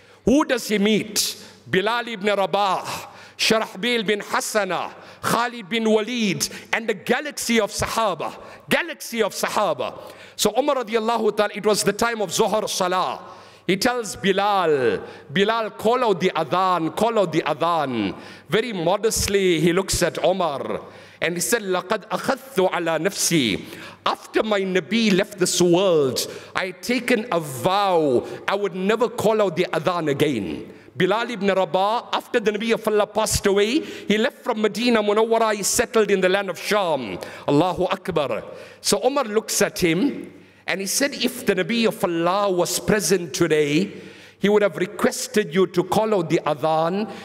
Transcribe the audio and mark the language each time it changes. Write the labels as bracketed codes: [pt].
[en] Who does he meet? Bilal ibn Rabah, Sharahbil bin Hassana, Khalid bin Walid, and the galaxy of Sahaba. Galaxy of Sahaba. So Omar radiallahu ta'ala, it was the time of Zuhr Salah. He tells Bilal, Bilal, call out the Adhan, call out the Adhan. Very modestly, he looks at Omar. And he said, [ar] لَقَدْ أَخَذْتُ عَلَىٰ نَفْسِي. [en] After my Nabi left this world, I had taken a vow. I would never call out the Adhan again. Bilal ibn Rabah, after the Nabi of Allah passed away, he left from Medina Munawwara. He settled in the land of Sham. Allahu Akbar. So Umar looks at him and he said, if the Nabi of Allah was present today, he would have requested you to call out the Adhan.